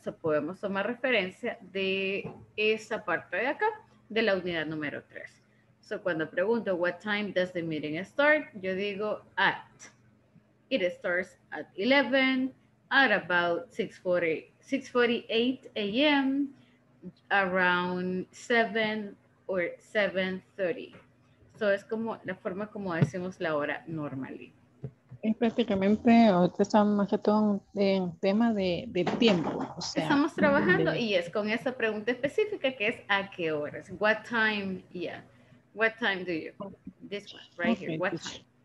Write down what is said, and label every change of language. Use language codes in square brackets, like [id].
[es] So podemos tomar referencia de esa parte de acá, de la unidad número 3. So cuando pregunto, [en] what time does the meeting start? [es] Yo digo at. [en] It starts at 11, at about 6:40, 6:48 a.m., around 7 or 7:30. [es] So es como la forma como decimos la hora normally. Y prácticamente ahorita estamos más que todo en tema de tiempo. O sea, estamos trabajando y es con esa pregunta específica que es ¿a qué horas? [en] What time? Yeah. What time do you? This one, right here. What time?